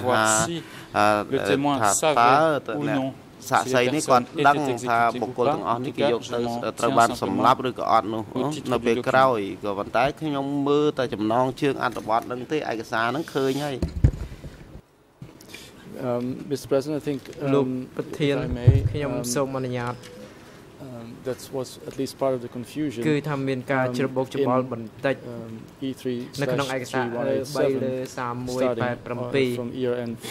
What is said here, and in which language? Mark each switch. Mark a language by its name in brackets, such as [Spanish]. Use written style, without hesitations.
[Khmer] ថាតើ សាក់សីនេះគាត់ដឹងថាបុគ្គលទាំងអស់នេះគេយកទៅត្រូវបានសម្លាប់ឬក៏អត់នោះនៅពេលក្រោយក៏ប៉ុន្តែខ្ញុំមើលតែចំណងជើងអត្ថបទនឹងទេឯកសារនឹងឃើញហើយ [English] Mr. President, I think that was at least part of the confusion. [Khmer] គឺ ថា មាន ការ ច្របូក ច្របល់ បន្តិច នៅ ក្នុង ឯកសារ 3187